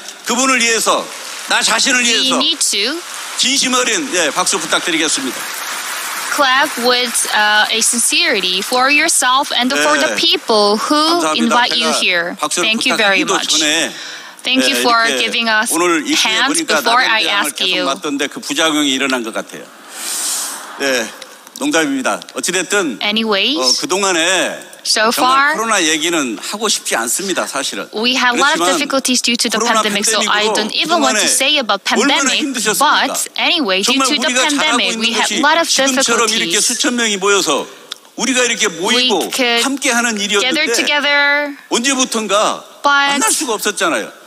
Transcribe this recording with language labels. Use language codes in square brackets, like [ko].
[en] we need to [ko] 진심 어린 예 박수 부탁드리겠습니다. [en] Clap with a sincerity for yourself and for the people who [ko] 감사합니다. [en] Invite you here. Thank you very much. [ko] 전에, [en] Thank you for giving us hands before I ask you. [ko] 맞던데 그 부작용이 일어난 것 같아요. 예, 농담입니다. 어찌됐든 [en] Anyways, [ko] 그동안에 [en] So far, [ko] 코로나 얘기는 하고 싶지 않습니다, 사실은. [en] We have a lot of difficulties due to the pandemic, so I don't even want to say about pandemic. But anyway, due to the pandemic, we have a lot of difficulties. [ko] 수천 명이 모여서 우리가 이렇게 모이고 함께 하는 일이었는데 언제부턴가 만날 수가 없었잖아요.